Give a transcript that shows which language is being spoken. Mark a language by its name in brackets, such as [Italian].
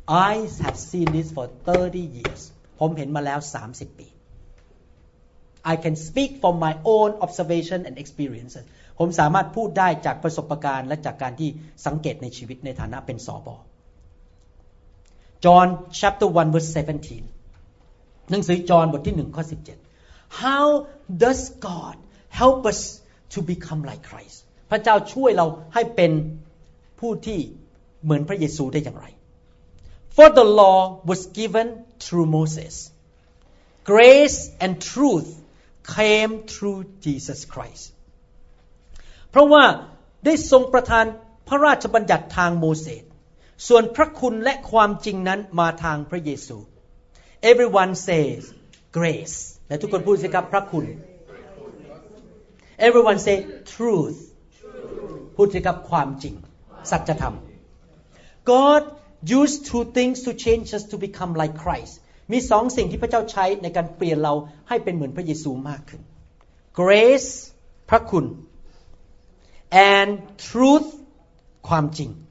[English] I have seen this for 30 years [Thai] ผมเห็นมาแล้ว30ปี [English] I can speak from my own observation and experiences [Thai] ผมสามารถพูดได้จากประสบการณ์และจากการที่สังเกตในชีวิตในฐานะเป็นสบจอห์น [English] chapter 1 verse 17 [Thai] หนังสือจอห์นบทที่1ข้อ17 [English] How does God help us to become like Christ? [Thai] พระเจ้าช่วยเราให้เป็นผู้ที่เหมือนพระเยซูได้อย่างไร [English] For the law was given through Moses. Grace and truth came through Jesus Christ. [Thai] เพราะว่าได้ทรงประทานพระราชบัญญัติทางโมเสสส่วนพระคุณและความจริงนั้นมาทางพระเยซู [English] Everyone says grace. [Thai] และทุกคนพูดสิครับพระคุณ [English] Everyone say truth [Thai] พูดถึงกับความจริงสัจธรรม [English] God used two things to change us to become like Christ [Thai] มีสองสิ่งที่พระเจ้าใช้ในการเปลี่ยนเราให้เป็นเหมือนพระเยซูมากขึ้น [English] Grace พระคุณ and truth ความจริง